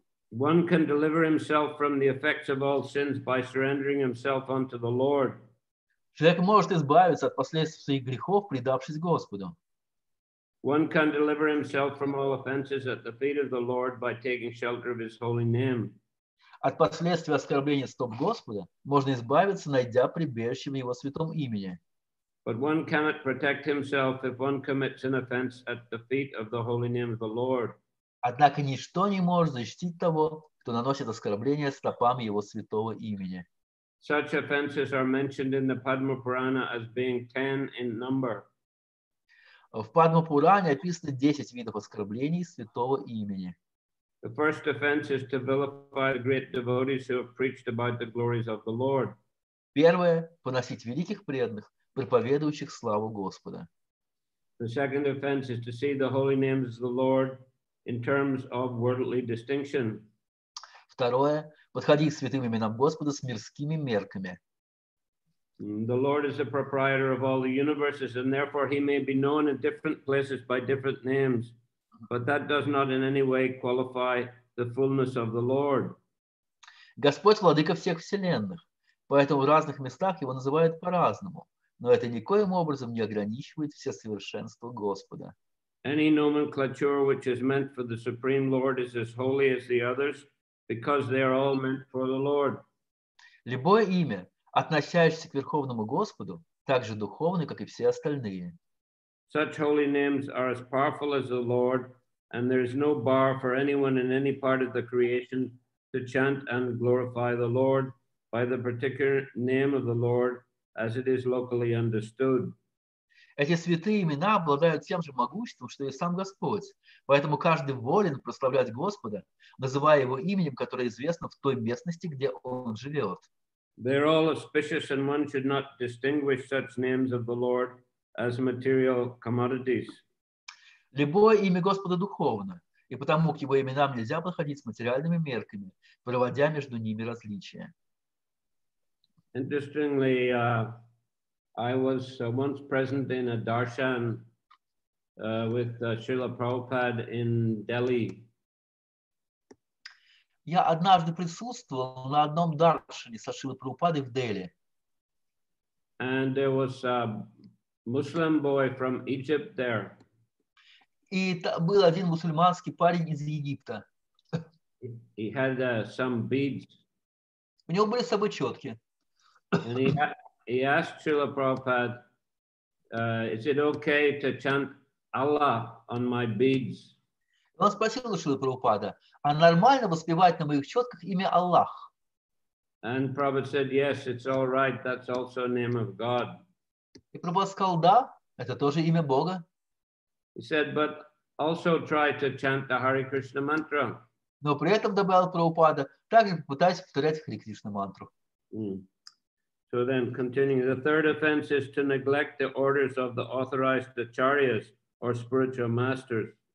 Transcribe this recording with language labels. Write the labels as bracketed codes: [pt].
[en] One can deliver himself from the effects of all sins by surrendering himself unto the Lord. [ru] Человек может избавиться от последствий своих грехов, предавшись Господу. [en] One can deliver himself from all offenses at the feet of the Lord by taking shelter of his holy name. [ru] От последствий оскорбления стоп Господа можно избавиться, найдя прибежище в Его святом имени. [en] But one cannot protect himself if one commits an offense at the feet of the holy name of the Lord. [ru] Однако ничто не может защитить того, кто наносит оскорбление стопам Его святого имени. [en] Such offenses are mentioned in the Padma Purana as being 10 in number. [ru] В Падма Пуране описано 10 видов оскорблений святого имени. [en] The first offense is to vilify the great devotees who have preached about the glories of the Lord. [ru] Первое – поносить великих преданных, проповедующих славу Господа. [en] The second offense is to see the holy names of the Lord in terms of worldly distinction. [ru] Второе – подходить к святым именам Господа с мирскими мерками. [en] The Lord is the proprietor of all the universes, and therefore he may be known in different places by different names, but that does not in any way qualify the fullness of the Lord. [ru] Господь – владыка всех вселенных, поэтому в разных местах его называют по-разному, но это никоим образом не ограничивает все совершенство Господа. [en] Any nomenclature which is meant for the Supreme Lord is as holy as the others, because they are all meant for the Lord. [ru] Любое имя, относящееся к Верховному Господу, так же духовно, как и все остальные. [en] Such holy names are as powerful as the Lord, and there is no bar for anyone in any part of the creation to chant and glorify the Lord by the particular name of the Lord as it is locally understood. [ru] Эти святые имена обладают тем же могуществом, что и сам Господь, поэтому каждый волен прославлять Господа, называя его именем, которое известно в той местности, где он живет. [en] They're all auspicious, and one should not distinguish such names of the Lord as material commodities. [ru] Любое имя Господа духовно, и потому к его именам нельзя подходить с материальными мерками, проводя между ними различия. [en] Interestingly, I was once present in a darshan with Srila Prabhupada in Delhi. [ru] Я однажды присутствовал на одном даршане со Шрилой Прабхупадой в Дели. [en] And there was a Muslim boy from Egypt there. [ru] И был один мусульманский парень из Египта. [en] He had some beads. [ru] У него были с собой четки. [en] And he asked Srila Prabhupada, is it okay to chant Allah on my beads? [ru] Он спросил у Шрилы Прабхупада, а нормально воспевать на моих четках имя Аллах? [en] And Prabhupada said, yes, it's all right, that's also name of God. [ru] И Прабхупада сказал, да, это тоже имя Бога. [en] He said, but also try to chant the Hare Krishna mantra. [ru] Но при этом добавил Прабхупада, также попытайся повторять Хари Кришна мантру. [en] So then, continuing, the third offense is to neglect the orders of the authorized acharyas or spiritual masters.